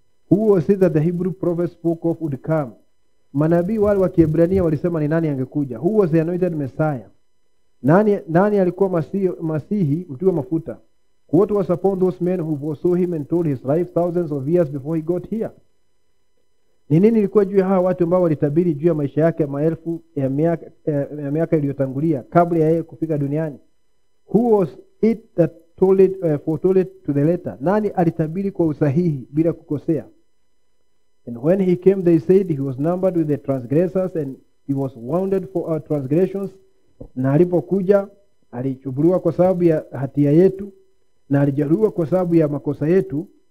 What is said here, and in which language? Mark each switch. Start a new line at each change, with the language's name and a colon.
English: "Who was it that the Hebrew prophet spoke of would come?"
Swahili: Manabii wale wa Kiebrania walisema ni nani angekuja.
English: "Who was the anointed Messiah?"
Swahili: Nani alikuwa Masihi, mtu wa mafuta?
English: "What was upon those men who foresaw him and told his life thousands of years before he got here?"
Swahili: Ni nini ilikuwa juu ya hawa watu ambao walitabiri juu ya maisha yake maelfu ya miaka iliyotangulia kabla ya yeye kufika duniani?
English: "Who was it that foretold it to the letter?"
Swahili: Nani alitabiri kwa usahihi bila kukosea?
English: "And when he came, they said he was numbered with the transgressors and he was wounded for our transgressions."
Swahili: Na alipokuja, alichubuliwa kwa sababu ya hatia yetu na alijeruhiwa kwa sababu ya makosa yetu.